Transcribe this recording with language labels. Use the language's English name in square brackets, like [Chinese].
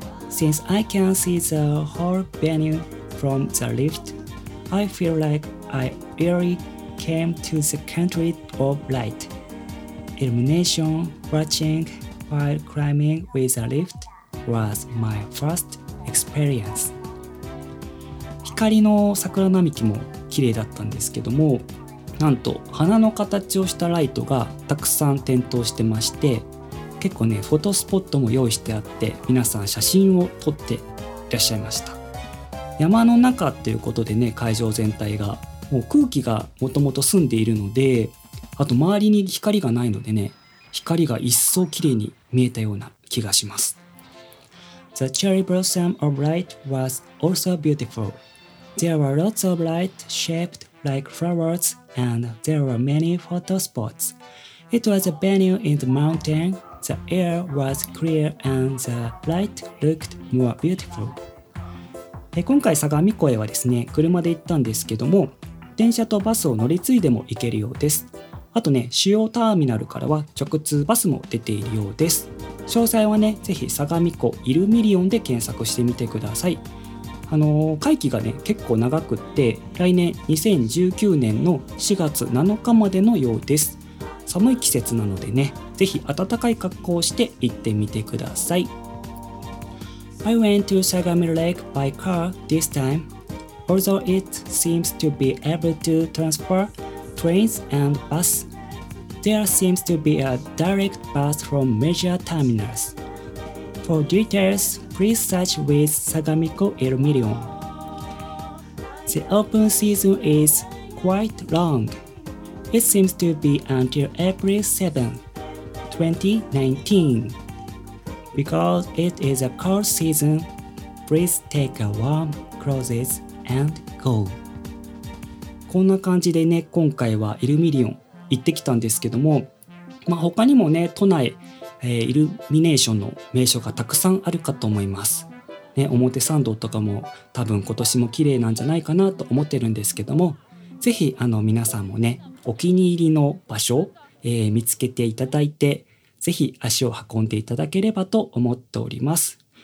[English] Since I can see the whole venue from the lift, I feel like I really came to the country of light. Illumination watching while climbing with a liftwas my first experience. [Japanese] 光の桜並木も綺麗だったんですけども、なんと花の形をしたライトがたくさん点灯してまして、結構ねフォトスポットも用意してあって、皆さん写真を撮っていらっしゃいました。山の中っていうことでね、会場全体がもう空気がもともと澄んでいるので、あと周りに光がないのでね、光が一層綺麗に見えたような気がします。 [English] The cherry blossom of light was also beautiful. There were lots of light shaped like flowers and there were many photo spots. It was a venue in the mountain. The air was clear and the light looked more beautiful. [Japanese] 今回相模湖へはですね、車で行ったんですけども、電車とバスを乗り継いでも行けるようです。あとね、主要ターミナルからは直通バスも出ているようです。詳細はね、ぜひ相模湖イルミリオンで検索してみてください。会期がね、結構長くって、来年2019年の4月7日までのようです。寒い季節なのでね、ぜひ暖かい格好をして行ってみてください。 [English] I went to Sagami Lake by car this time. Although it seems to be able to transfer trains and bus,There seems to be a direct bus from major terminals. For details, please search with Sagamiko Illumination. The open season is quite long. It seems to be until April 7, 2019. Because it is a cold season, please take a warm clothes and go. [Japanese] こんな感じでね、今回はイルミリオン行ってきたんですけども、まあ、他にもね都内、イルミネーションの名所がたくさんあるかと思います、ね、表参道とかも多分今年も綺麗なんじゃないかなと思ってるんですけども、ぜひあの皆さんもねお気に入りの場所を、見つけていただいて、ぜひ足を運んでいただければと思っております。